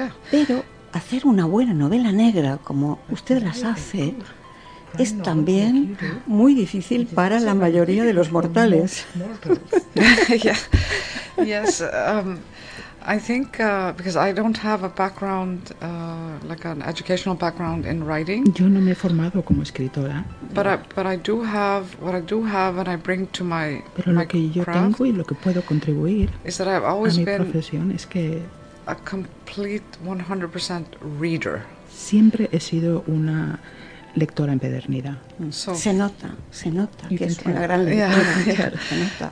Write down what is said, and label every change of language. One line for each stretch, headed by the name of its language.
Spanish: Pero hacer una buena novela negra, como usted las hace, es también muy difícil para la mayoría de los mortales.
English: Yeah. Yes, I think because I don't have a background, like an educational background in writing.
Spanish: Yo no me he formado como escritora.
English: But I do have, and I bring to my craft.
Spanish: Pero lo que yo tengo y lo que puedo contribuir a mi profesión es que
English: a complete 100% reader.
Spanish: Siempre he sido una lectora empedernida. So, se nota que es una gran lectora.
English: Yeah,
Spanish: se nota.